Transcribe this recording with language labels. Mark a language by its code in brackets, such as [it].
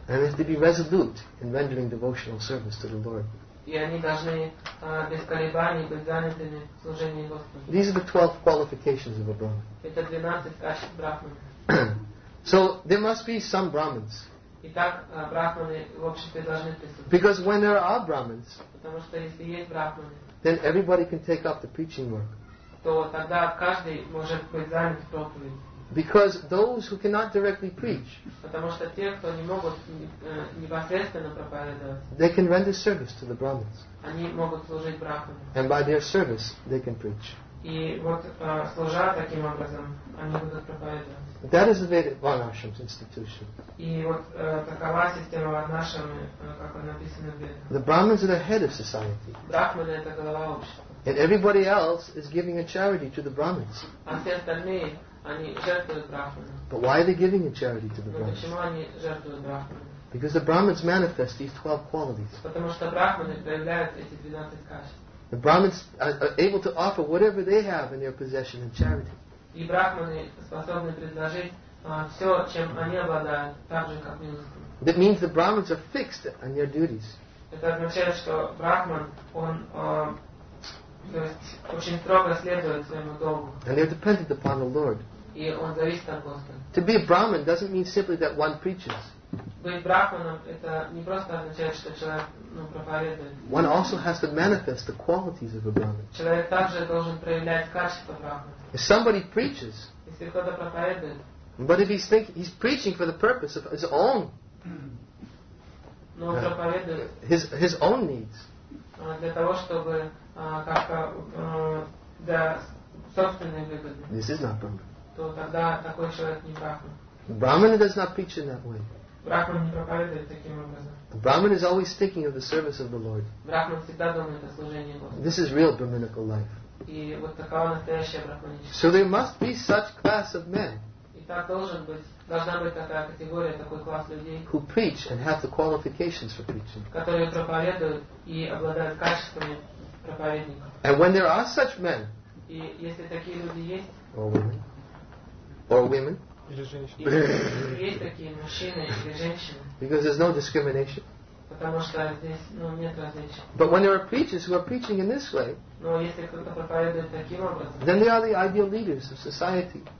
[en] And they have to be resolute in rendering devotional service to the Lord. [ru] И они должны без колебаний быть занятыми в служении Господу. [en] These are the 12 qualifications of a Brahmin. [ru] Это 12 качеств Брахмана. [en] So there must be some Brahmins. [ru] Итак, Брахманы в обществе должны присутствовать. [en] Because when there are Brahmins, [ru] потому что если есть Брахманы, [en] then everybody can take up the preaching work. [ru] То тогда каждый может быть занят в проповеди. [en] Because those who cannot directly preach, [ru] потому что те, кто не могут непосредственно проповедовать, [en] they can render service to the Brahmins. [ru] Они могут служить Брахманам. [en] And by their service, they can preach. [ru] И вот служа таким образом, они будут проповедовать. [en] That is the Vedic Varnashram's institution. [ru] И вот такова система Варнашрам, как она написана в Ведах. [en] The Brahmins are the head of society. [ru] Брахманы — это голова общества. [en] And everybody else is giving a charity to the Brahmins. [ru] А все остальные, они жертвуют Брахманам. [en] But why are they giving a charity to the Brahmins? [ru] Почему они жертвуют Брахманам? [en] Because the Brahmins manifest these 12 qualities. [ru] Потому что Брахманы проявляют эти 12 качеств. [en] The Brahmins are able to offer whatever they have in their possession in charity. [ru] И брахманы способны предложить все, чем они обладают, так же, как милостыню. [en] That means the Brahmins are fixed on their duties. [ru] Это означает, что брахман, он то есть, очень строго следует своему долгу. [en] And they're dependent upon the Lord. [ru] И он зависит от Господа. [en] To be a Brahmin doesn't mean simply that one preaches. [ru] Быть брахманом, это не просто означает, что человек проповедует. [en] One also has to manifest the qualities of a Brahmin. [ru] Человек также должен проявлять качество брахмана. [en] If somebody preaches, [ru] если кто-то проповедует, [en] but if he's thinking, he's preaching for the purpose of his own, [ru] но проповедует, [en] his own needs, [ru] для того, чтобы, как-то, для собственной выгоды, [en] this is not Brahman. [ru] То тогда такой человек не Брахман. [en] Brahman does not preach in that way. [ru] Брахман не проповедует таким образом. [en] The Brahman is always thinking of the service of the Lord. [ru] Брахман всегда думает о служении Господу. [en] This is real brahminical life. [ru] И вот такова настоящая брахманическая. [en] So there must be such class of men. [ru] И так должна быть такая категория, такой класс людей. [en] Who preach and have the qualifications for preaching. [ru] Которые проповедуют и обладают качествами проповедника. [en] And when there are such men. [ru] И если такие люди есть. [en] Or women. [ru] Или женщины. Есть такие мужчины или женщины. [en] Because there's no discrimination. [ru] Потому что здесь, ну, нет различий. [en] But when there are preachers who are preaching in this way, [ru] но если кто-то проповедует таким образом, [en] then they are the ideal leaders of society.